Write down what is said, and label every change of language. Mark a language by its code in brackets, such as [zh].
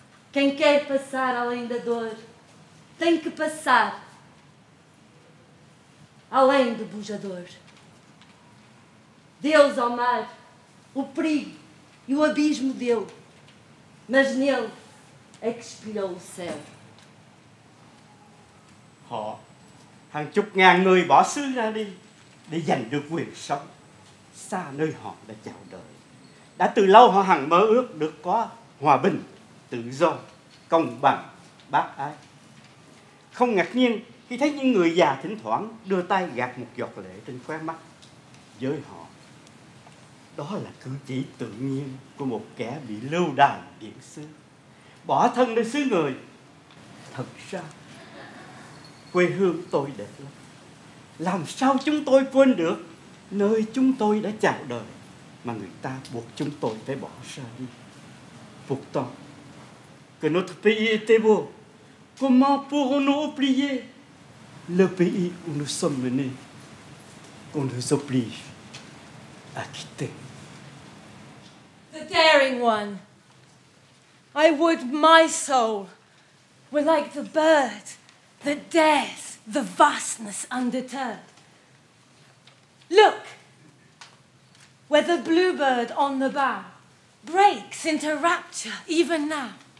[pt] Quem quer passar além da dor tem que passar além do bujador. Deus ao mar o perigo e o abismo deu, mas nele é que espelhou o céu. [vi] Họ hàng chục ngàn người bỏ xứ ra đi để giành được quyền sống xa nơi họ đã chào đời. Đã từ lâu họ hằng mơ ước được có hòa bình, tự do, công bằng, bác ái. Không ngạc nhiên khi thấy những người già thỉnh thoảng đưa tay gạt một giọt lệ trên khóe mắt. Với họ, đó là cử chỉ tự nhiên của một kẻ bị lưu đày điển xứ, bỏ thân nơi xứ người. Thật ra, quê hương tôi đẹp lắm. Làm sao chúng tôi quên được nơi chúng tôi đã chào đời mà người ta buộc chúng tôi phải bỏ ra đi. [fr] Pourtant, que notre pays était beau, comment pourrons-nous oublier le pays où nous sommes menés, qu'on nous oblige à quitter? [en] The daring one, I would my soul were like the bird that dares the vastness undeterred. Look! Where the bluebird on the bough breaks into rapture even now.